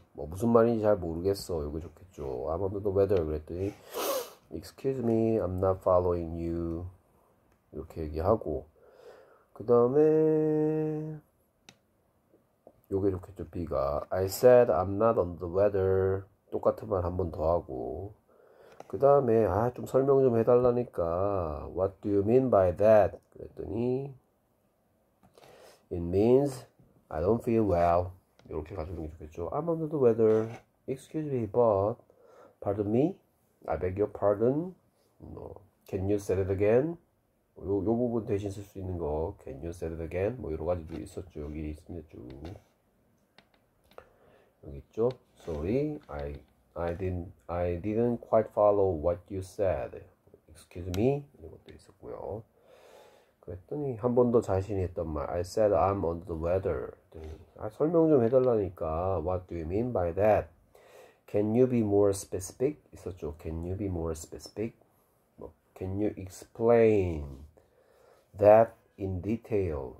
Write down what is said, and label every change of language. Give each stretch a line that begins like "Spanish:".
Korean: 뭐 무슨 말인지 잘 모르겠어. 이거 좋겠죠.
English: I'm under the weather.
Korean: 그랬더니
English: Excuse me, I'm not following you.
Korean: 이렇게 얘기하고 그 다음에 요게 좋겠죠.
English: B가 I said I'm not under the weather.
Korean: 똑같은 말한번더 하고. 그 다음에 아좀 설명 좀 해달라니까
English: What do you mean by that? 그랬더니 It means I don't feel well.
Korean: 이렇게 가져오는 게 좋겠죠.
English: I'm under the weather. Excuse me, but pardon me? I beg your pardon? No. Can you say it again?
Korean: 요 부분 대신 쓸수 있는 거
English: Can you say it again?
Korean: 뭐 여러 가지도 있었죠. 여기 있습니다. 쭉 여기 있죠.
English: Sorry, I didn't quite follow what you said. Excuse me.
Korean: 이것도 있었고요. 그랬더니 한번더 자신이 했던 말.
English: I said I'm under the weather.
Korean: 아, 설명 좀 해달라니까.
English: What do you mean by that? Can you be more specific? 있었죠. Can you be more specific? 뭐, can you explain that in detail?